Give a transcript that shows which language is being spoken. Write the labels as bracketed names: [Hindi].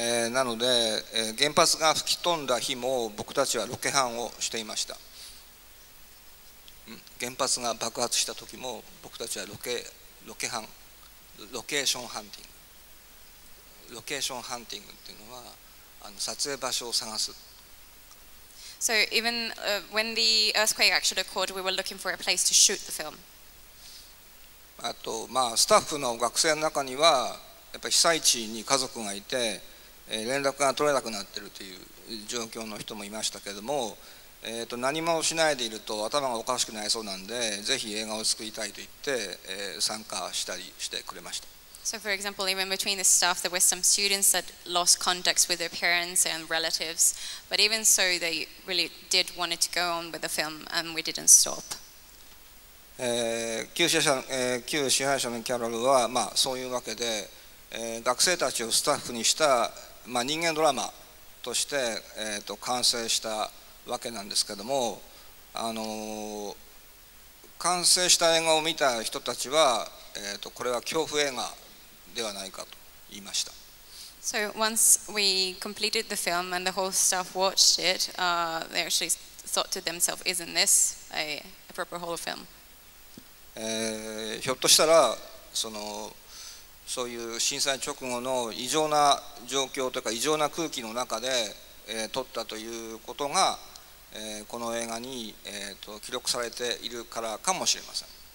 [Japanese] なので、原発が吹き飛んだ日も僕たちはロケハンをしていました。原発が爆発した時も僕たちはロケハンロケーションハンティング、ロケーションハンティングっていうのは撮影場所を探す。 [English] So even、when the earthquake actually occurred, we were looking for a place to shoot the film. [Japanese] あと、まあ、スタッフの学生の中にはやっぱり被災地に家族がいて連絡が取れなくなっているという状況の人もいましたけれども、何もしないでいると頭がおかしくなりそうなんで、ぜひ映画を作りたいと言って、参加したりしてくれました。 [English] So for example, even between the staff, there were some students that lost contact with their parents and relatives. But even so, they really did wanted to go on with the film, and we didn't stop. [Japanese] 旧支配者のキャロルは、まあ、そういうわけで、学生たちをスタッフにした、まあ、人間ドラマとして、完成したわけなんですけども、完成した映画を見た人たちは、これは恐怖映画ではないかと言いました。 [English] So once we completed the film and the whole staff watched it, they actually thought to themselves, isn't this a proper horror film? [Japanese] ひょっとしたらそのそういう震災直後の異常な状況というか異常な空気の中で、撮ったということが、この映画に、記録されているからかもしれません。